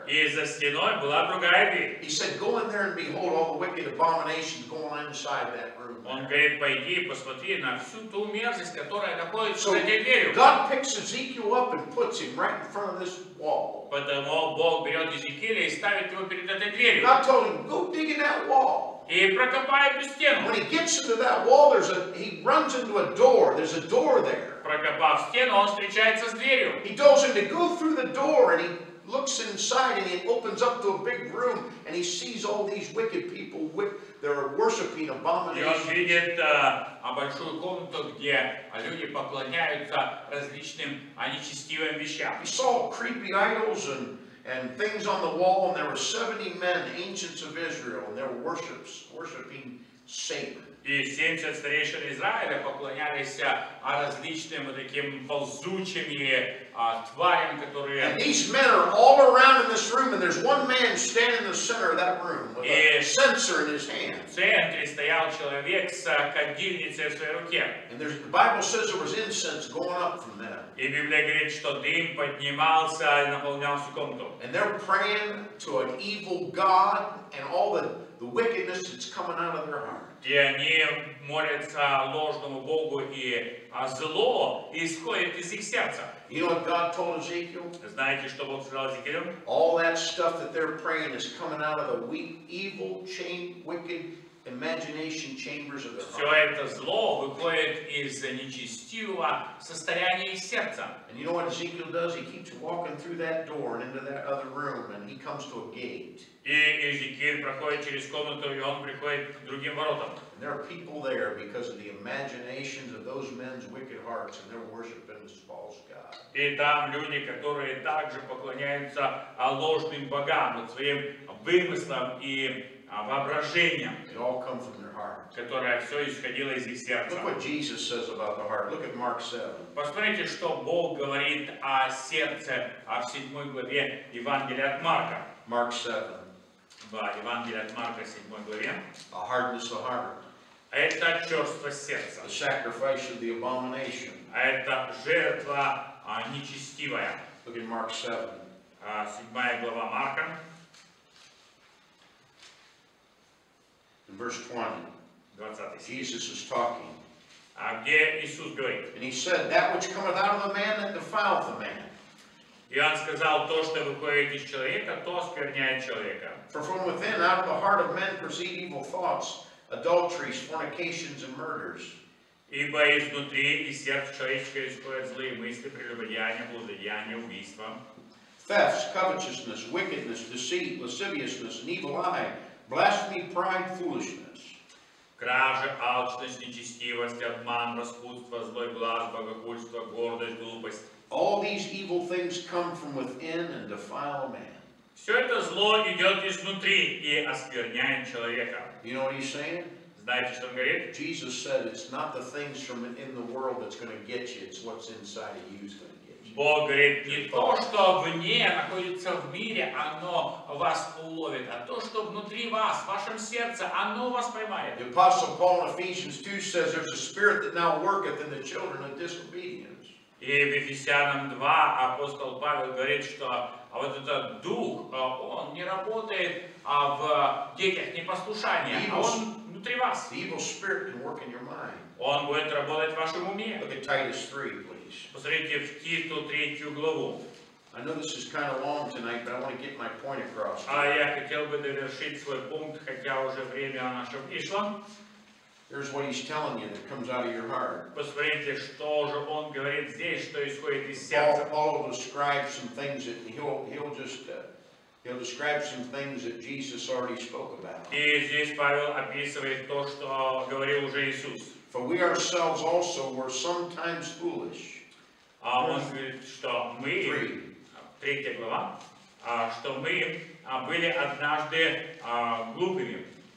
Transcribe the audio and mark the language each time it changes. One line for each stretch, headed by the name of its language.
Russian: И за стеной была другая дверь.
English: He said, go in there and behold all the wicked abominations going on inside that room.
Russian: Он говорит, пойди и посмотри на всю ту мерзость, которая находится в этой двери.
English: God picks Ezekiel up and puts him right in front of this wall.
Russian: Потому Бог берет Иезекииля и ставит его перед этой дверью.
English: God told him, go dig in that wall.
Russian: И прокопай эту стену.
English: When he gets into that wall, he runs into a door. There's a door there.
Russian: Прокопав стену, он встречается с дверью.
English: He tells him to go through the door and he looks inside and he opens up to a big room and he sees all these wicked people that are worshiping abominations.
Russian: И он видит большую комнату, где люди поклоняются различным нечестивым вещам.
English: He saw creepy idols and things on the wall and there were 70 men, ancients of Israel, and they were worshiping Satan.
Russian: И 70 старейшин Израиля поклонялись различным вот таким ползучим тварям, которые...
English: And these men are all around in this room, and there's one man standing in the center of that room with a censer in his hand.
Russian: В центре стоял человек с кадильницей в своей руке.
English: And the Bible says there was incense going up from them.
Russian: И Библия говорит, что дым поднимался и наполнял всю комнату.
English: And they're praying to an evil God and all the wickedness that's coming out of their heart.
Russian: И они молятся ложному Богу, и зло исходит из их сердца.
English: You know what God told Ezekiel?
Russian: Знаете, что Бог сказал Иезекиилю?
English: All that stuff that they're praying is coming out of the weak, evil, wicked imagination chambers of their heart.
Russian: Все это зло выходит из нечестивого состояния их сердца.
English: And you know what Ezekiel does? He keeps walking through that door and into that other room, and he comes to a gate.
Russian: И Иезекииль проходит через комнату, и он приходит к другим воротам.
English: And there are people there because of the imaginations of those men's wicked hearts, and they're worshiping this false god.
Russian: И там люди, которые также поклоняются ложным богам, вот своим вымыслам и воображениям.
English: It all comes from their heart.
Russian: Которое все исходило из их сердца.
English: Look what Jesus says about the heart. Look at Mark 7.
Russian: Посмотрите, что Бог говорит о сердце в 7 главе Евангелия от Марка.
English: Mark 7.
Russian: Евангелие от Марка, 7 главе.
English: A hardness of heart.
Russian: Это черствость сердца.
English: The sacrifice of the abomination.
Russian: Это жертва нечестивая.
English: Look at Mark 7.
Russian: 7 глава Марка.
English: In verse 20. Jesus is talking.
Russian: Где Иисус говорит?
English: And he said, that which cometh out of the man that defileth the man.
Russian: И он сказал, то, что выходит из человека, то оскверняет человека.
English: For from within, out of the heart of men proceed evil thoughts, adulteries, fornications, and murders.
Russian: Ибо изнутри из сердца человеческого исходят злые мысли, прелюбодеяния, блудодеяния, убийства.
English: Thefts, covetousness, wickedness, deceit, lasciviousness, an evil eye, blasphemy, pride, foolishness.
Russian: Кража, алчность, нечестивость, обман, распутство, злой глаз, богохульство, гордость, глупость.
English: All these evil things come from within and defile a man.
Russian: Все это зло идет изнутри и оскверняет человека.
English: You know what he's saying?
Russian: Знаете, что он говорит?
English: Jesus said, it's not the things from in the world that's going to get you, it's what's inside of you is going to get you.
Russian: Бог говорит, не то, что вне находится в мире, оно вас уловит, а то, что внутри вас, в вашем сердце, оно вас поймает.
English: The Apostle Paul in Ephesians 2 says, there's a spirit that now worketh in the children of disobedience.
Russian: И в Ефесянам 2 апостол Павел говорит, что вот этот дух, он не работает в детях непослушания, а он внутри вас.
English: The evil spirit can work in your mind.
Russian: Он будет работать в вашем уме.
English: Look at Titus 3, please.
Russian: Посмотрите в Титу 3 главу.
English: Look at I know this is kind of long tonight, but I want to get my point across.
Russian: А я хотел бы завершить свой пункт, хотя уже время наше ушло.
English: Here's what he's telling you that comes out of your heart.
Russian: Посмотрите, что же он говорит здесь, что исходит из сердца.
English: Paul will describe some things that he'll describe some things that Jesus already spoke about.
Russian: И здесь Павел описывает то, что говорил уже Иисус.
English: For we ourselves also were sometimes foolish.
Russian: А он говорит, что мы, третья глава, что мы были однажды глупыми.